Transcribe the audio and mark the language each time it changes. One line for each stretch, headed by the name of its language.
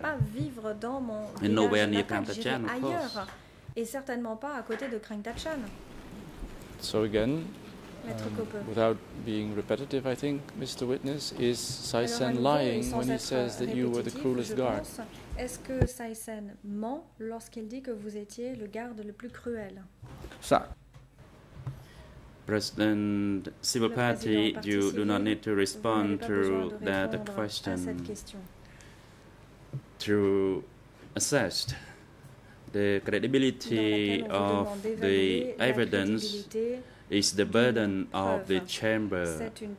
French: pas vivre dans mon
English: and nowhere near Krangtachan, of
French: ailleurs,
English: course.
French: Et certainement pas à côté de Krangtachan.
English: So again, without being repetitive, I think, Mr. Witness, is Saut Saing lying when he says that you were the cruelest guard?
French: Est-ce que Saut Saing ment lorsqu'elle dit que vous étiez le garde le plus cruel? Ça.
English: President, civil party, you do not need to respond to that question. To assess the credibility of the evidence is the burden of the chamber.